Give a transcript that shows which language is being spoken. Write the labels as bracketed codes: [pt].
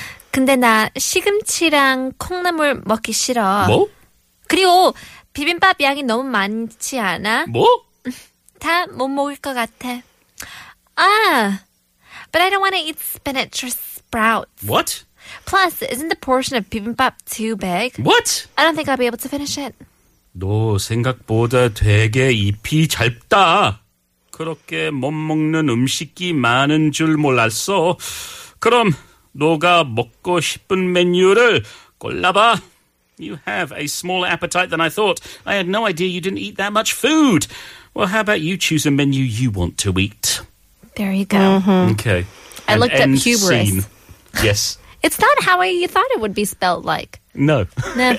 [ko] 근데 나 시금치랑 콩나물 먹기 싫어. 뭐? 그리고 비빔밥 양이 너무 많지 않아? 뭐? 다 못 먹을 것 같아. [en] 아, but I don't want to eat spinach or sprouts. What? Plus, isn't the portion of bibimbap too big? What? I don't think I'll be able to finish it. [ko] 너 생각보다 되게 잎이 짧다. 그렇게 못 먹는 음식이 많은 줄 몰랐어. 그럼 너가 먹고 싶은 메뉴를 골라봐. [en] You have a smaller appetite than I thought. I had no idea you didn't eat that much food. Well, how about you choose a menu you want to eat? There you go. Mm-hmm. Okay. I looked up hubris. Scene. Yes. It's not how you thought it would be spelled like. No. No.